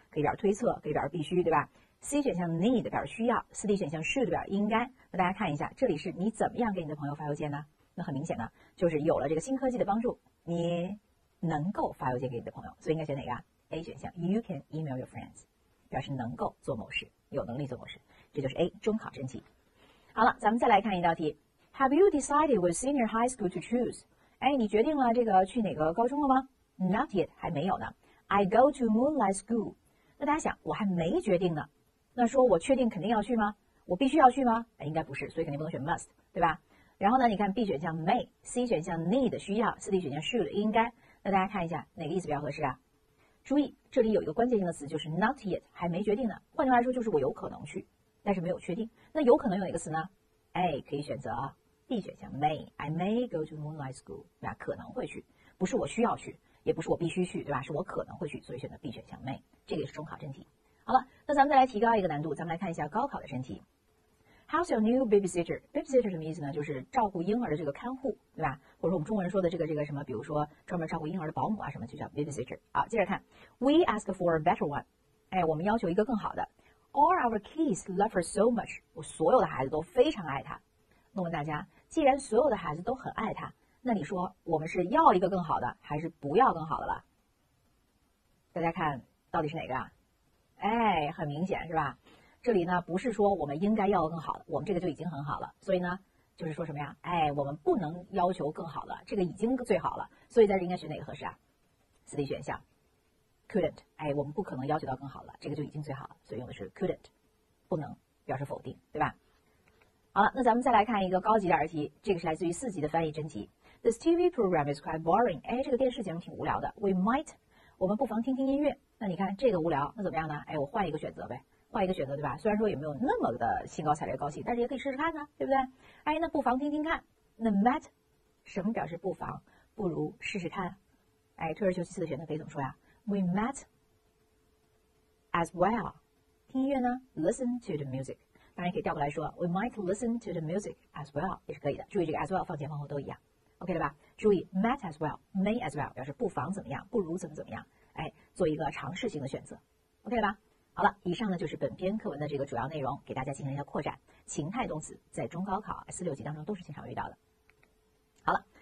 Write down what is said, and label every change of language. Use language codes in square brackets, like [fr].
[zh] 可以表示推测，可以表示必须，对吧？C 选项 need 表示需要， C D 选项 should 表示应该。那大家看一下，这里是你怎么样给你的朋友发邮件呢？那很明显呢，就是有了这个新科技的帮助，你能够发邮件给你的朋友，所以应该选哪个 ？A 选项 ， [en] You can email your friends， [zh] 表示能够做某事，有能力做某事，这就是 A 中考真题。好了，咱们再来看一道题 [en] ，Have you decided which senior high school to choose？ [zh] 哎，你决定了这个去哪个高中了吗 ？ [en] Not yet， [zh] 还没有呢。 [en] I go to Moonlight School。 [zh] 那大家想，我还没决定呢。那说我确定肯定要去吗？我必须要去吗？哎，应该不是，所以肯定不能选 must， 对吧？然后呢，你看 B 选项 may， C 选项 need 需要， C D 选项 should 应该。那大家看一下哪个意思比较合适啊？注意这里有一个关键性的词，就是 not yet， 还没决定呢。换句话说，就是我有可能去，但是没有确定。那有可能有哪个词呢 ？A 可以选择 B 选项 may， [en] I may go to Moonlight School， [zh] 对吧？可能会去，不是我需要去，也不是我必须去，对吧？是我可能会去，所以选择 B 选项 may， 这个也是中考真题。好了，那咱们再来提高一个难度，咱们来看一下高考的真题。 [en] How's your new babysitter? [zh] Babysitter 什么意思呢？就是照顾婴儿的这个看护，对吧？或者我们中文说的这个什么，比如说专门照顾婴儿的保姆啊什么，就叫 babysitter。好，接着看 ， [en] We ask for a better one， [zh] 哎，我们要求一个更好的。 [en] All our kids love her so much， [zh] 我所有的孩子都非常爱她。那问大家，既然所有的孩子都很爱她，那你说我们是要一个更好的，还是不要更好的了？大家看到底是哪个啊？哎，很明显是吧？这里呢不是说我们应该要更好的，我们这个就已经很好了，所以呢就是说什么呀，哎，我们不能要求更好的，这个已经最好了，所以在这应该选哪个合适啊？四 D 选项 couldn't， 哎，我们不可能要求到更好了，这个就已经最好了，所以用的是 couldn't， 不能表示否定，对吧？好了，那咱们再来看一个高级的儿题，这个是来自于四级的翻译真题。 [en] This TV program is quite boring， [zh] 哎，这个电视节目挺无聊的。 [en] We might， [zh] 我们不妨听听音乐。那你看这个无聊，那怎么样呢？哎，我换一个选择呗，换一个选择，对吧？虽然说也没有那么的兴高采烈高兴，但是也可以试试看呢，对不对？哎，那不妨听听看。那 might 什么表示不妨，不如试试看。哎，退而求其次的选择可以怎么说呀？ [en] We might as well [zh] 听音乐呢？ [en] Listen to the music， [zh] 当然可以调过来说 [en] We might listen to the music as well [zh] 也是可以的。注意这个 as well 放前放后都一样， OK 了吧？注意 might as well， may as well 表示不妨怎么样，不如怎么怎么样，哎，做一个尝试性的选择 ，OK 了吧？好了，以上呢就是本篇课文的这个主要内容，给大家进行一个扩展。情态动词在中高考四六级当中都是经常遇到的。好了。